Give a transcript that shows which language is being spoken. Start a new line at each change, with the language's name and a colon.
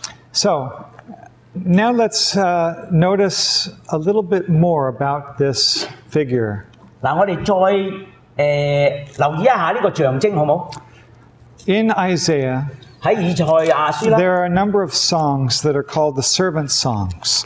English: so, now let's notice a little bit more about this figure.
Chinese: 我们再留意一下这个象征好吗?
English: In Isaiah,
Chinese: 在以赛亚书呢,
English: there are a number of songs that are called the servant songs.